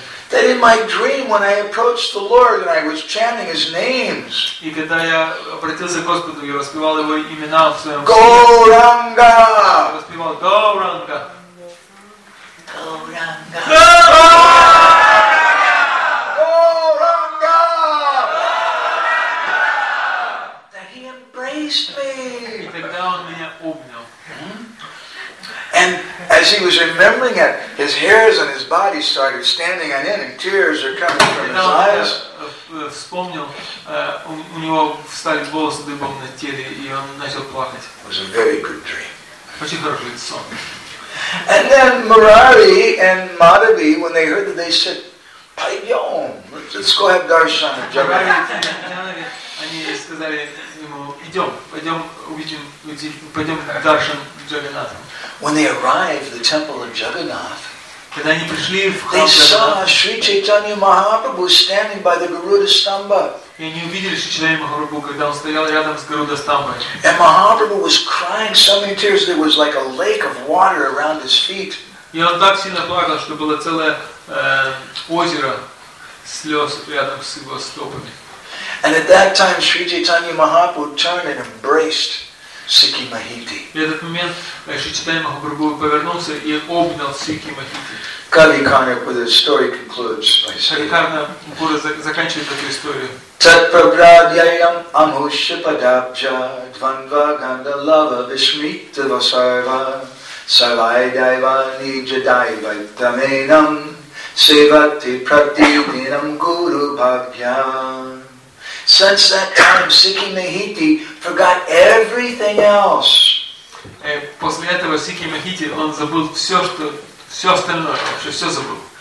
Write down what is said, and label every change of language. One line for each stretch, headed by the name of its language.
English: That in my dream, when I approached the Lord and I was chanting His names,
Russian: и когда я обратился к Господу, я распевал Его имена в своем сне. Гоуранга. Распевал Гоуранга. Гоуранга. Гоуранга.
English: That He embraced me.
Russian: И тогда Он меня обнял.
English: And as he was remembering it, his hairs on his body started standing on end, and tears are coming from his eyes.
Russian: Вспомнил, у него встали волосы дыбом на теле, и он начал плакать.
English: It was a very good dream.
Russian: Очень хороший сон.
English: And then Murari and Madhavi, when they heard that, they said,
Russian: "Пойдем,
English: let's go have darshan of Jagannath."
Russian: Они сказали ему, "Идем, пойдем, увидим, пойдем даршан Джаганнатх."
English: When they arrived at the temple of Jagannath,
Russian: когда они пришли в храм
English: Джаганнатха, they saw Sri Chaitanya Mahaprabhu standing by the Garuda Stamba.
Russian: И они увидели Шри Чайтанья Махапрабху, когда он стоял рядом с Гаруда Стамбой.
English: And Mahaprabhu was crying so many tears there was like a lake of water around his feet.
Russian: И он так сильно плакал, что было целое озеро слез рядом с его стопами.
English: And at that time, Sri Chaitanya Mahaprabhu turned and embraced Sikhi Mahiti.
Russian: В этот момент Шри Чайтанья Махапрабху повернулся и обнял Сикхи Махити.
English: Кави Карна with his story concludes by saying.
Russian: Кави Карна Пура заканчивает эту историю.
Sanskrit: Тат прабрадьяям амуша падабджа дванва ганда лава вишмита васарва савай дайва ниджа дайвай таменам севати прадидинам гуру бхагьям.
English: Since that time, Sikhi Mahiti forgot everything else.
Russian: После этого Сикхи Махити он забыл все, что все остальное, вообще все забыл.